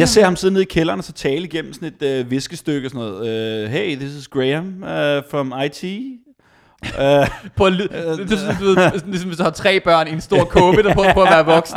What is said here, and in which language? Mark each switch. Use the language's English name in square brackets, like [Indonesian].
[Danish] Jeg ser ham sidde nede i kælderen og så tale igennem sådan et viskestykke og sådan noget. [English] Hey, this is Graham from IT. [Danish] På en lyd, ligesom hvis du har tre børn i en stor kåbe, der prøver på at være voksen.